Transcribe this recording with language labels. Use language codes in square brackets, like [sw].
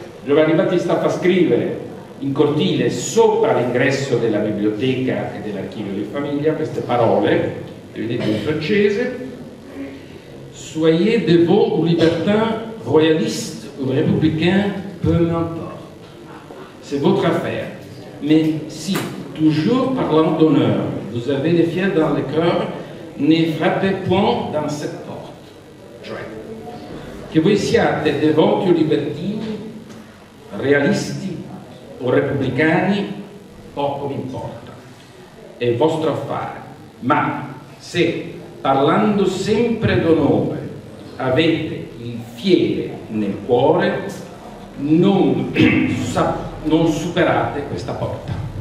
[it] Giovanni Battista fa scrivere in cortile, sopra l'ingresso della biblioteca e dell'archivio di famiglia, queste parole, vedete in francese: [fr] Soyez de vos ou libertins, royalistes ou républicains, peu m'importe. C'est votre affaire. Mais si, toujours parlant d'honneur, vous avez les fiers dans le cœur, ne frappez point dans cette porte. [it] Cioè, che voi siate devoti o libertini, realisti o repubblicani, poco mi importa, è vostro affare. Ma se, parlando sempre d'onore, avete il fiele nel cuore, non superate questa porta.